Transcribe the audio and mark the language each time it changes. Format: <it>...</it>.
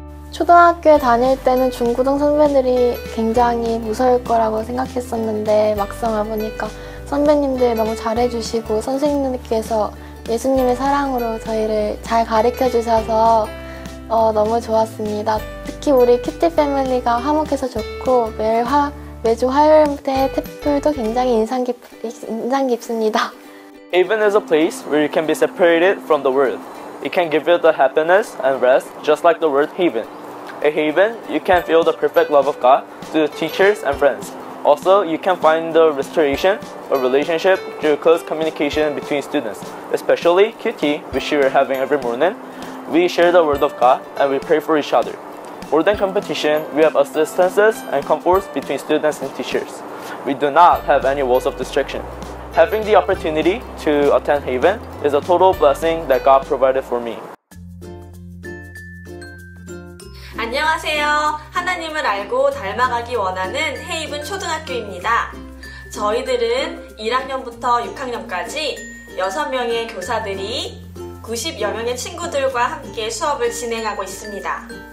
<ko>초등학교에 다닐 때는 중고등 선배들이 굉장히 무서울 거라고 생각했었는데 막상 와보니까 선배님들 너무 잘해주시고 선생님들께서 예수님의 사랑으로 저희를 잘 가르쳐 주셔서 너무 좋았습니다. 특히 우리 키티 패밀리가 화목해서 좋고 매주 화요일 때 태풀도 굉장히 인상 깊습니다.</ko> <en>Even is a place where you can be separated from the world. It can give you the happiness and rest just like the word haven. A haven, you can feel the perfect love of God through teachers and friends. Also, you can find the restoration of relationship through close communication between students, especially QT, which we are having every morning. We share the word of God and we pray for each other. More than competition, we have assistances and comforts between students and teachers. We do not have any walls of distraction. Having the opportunity to attend Haven is a total blessing that God provided for me.</en> <ko>안녕하세요. 하나님을 알고 닮아가기 원하는 헤이븐 초등학교입니다. 저희들은 1학년부터 6학년까지 6명의 교사들이 90여 명의 친구들과 함께 수업을 진행하고 있습니다.</ko>